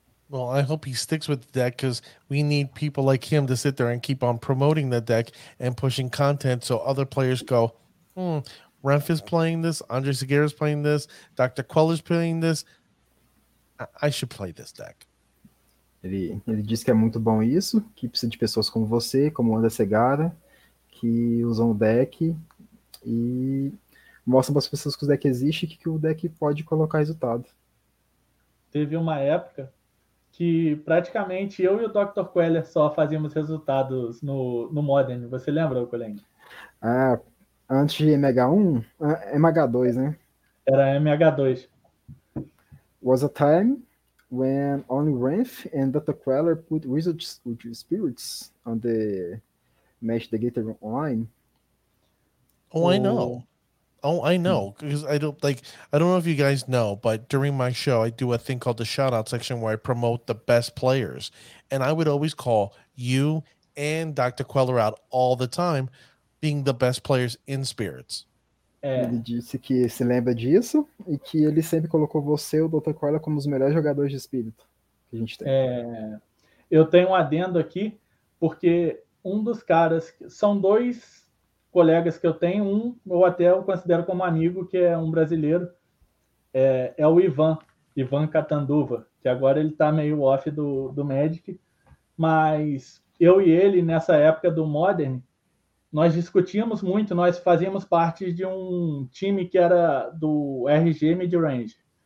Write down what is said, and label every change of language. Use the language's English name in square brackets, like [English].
[English] Well, I hope he sticks with the deck because we need people like him to sit there and keep on promoting the deck and pushing content so other players go, Renf is playing this, Andre Segura is playing this, Dr. Quell is playing this. I should play this deck. [Portuguese] Ele disse que é muito bom isso, que precisa de pessoas como você, como o André Segarra, que usam o deck e mostram para as pessoas que o deck existe e que o deck pode colocar resultado. Teve uma época que praticamente eu e o Dr. Queller só fazíamos resultados no Modern. Você lembra, Colen? Ah, antes de MH1? MH2, né? Era MH2. [English] Was a time when only Renf and Dr. Queller put Wizards with Spirits on the Magic the Gathering online. Oh, I know. Because I don't know if you guys know, but during my show, I do a thing called the shout-out section where I promote the best players. And I would always call you and Dr. Queller out all the time being the best players in Spirits. [Portuguese] É. Ele disse que se lembra disso e que ele sempre colocou você e o Dr. Corda como os melhores jogadores de Espírito que a gente tem. É. Eu tenho um adendo aqui, porque um dos caras, são dois colegas que eu tenho, um ou até eu considero como amigo, que é um brasileiro, é o Ivan Catanduva, que agora ele está meio off do Magic, mas eu e ele, nessa época do Modern, nós discutíamos muito, nós fazíamos parte de um time que era do RG Midrange,